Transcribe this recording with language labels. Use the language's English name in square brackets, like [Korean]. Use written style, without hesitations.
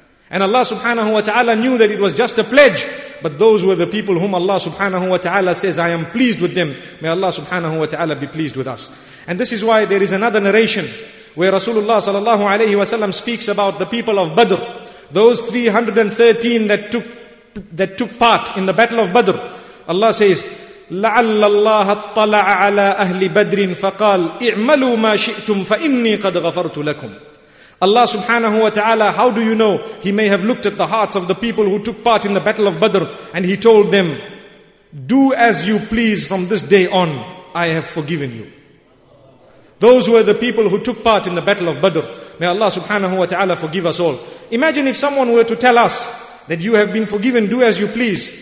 [English] And Allah subhanahu wa ta'ala knew that it was just a pledge. But those were the people whom Allah subhanahu wa ta'ala says, I am pleased with them. May Allah subhanahu wa ta'ala be pleased with us. And this is why there is another narration where Rasulullah sallallahu alayhi wa sallam speaks about the people of Badr. Those 313 that took part in the battle of Badr. Allah says, [Arabic] لَعَلَّ اللَّهَ اطَّلَعَ عَلَىٰ أَهْلِ بَدْرٍ فَقَالَ اِعْمَلُوا مَا شِئْتُمْ فَإِنِّي قَدْ غَفَرْتُ لَكُمْ [English] Allah subhanahu wa ta'ala, how do you know? He may have looked at the hearts of the people who took part in the battle of Badr and he told them, do as you please from this day on, I have forgiven you. Those were the people who took part in the battle of Badr. May Allah subhanahu wa ta'ala forgive us all. Imagine if someone were to tell us that you have been forgiven, do as you please.